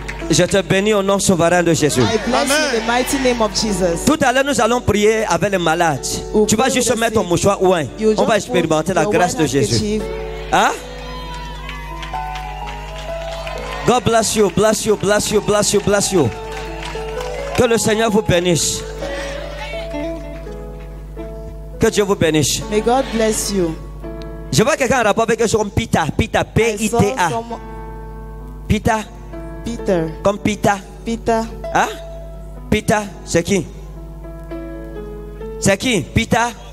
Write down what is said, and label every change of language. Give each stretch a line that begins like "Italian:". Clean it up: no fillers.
French: Je te bénis au nom souverain de Jésus.
English: I bless Amen. You in the mighty name of Jesus.
French: Tout à l'heure, nous allons prier avec les malades. Ou tu vas juste mettre ton mouchoir ou un. On va expérimenter la grâce de Jésus. Hein?
English: God bless you, bless you, bless you, bless you, bless you.
French: Que le Seigneur vous bénisse. Que Dieu vous bénisse.
English: May God bless you.
French: Je vois quelqu'un en rapport avec quelque chose comme Peter. Peter, P-I-T-A. Peter. Peter. Comme Peter. Peter. Hein? Peter, c'est qui? C'est qui? Peter.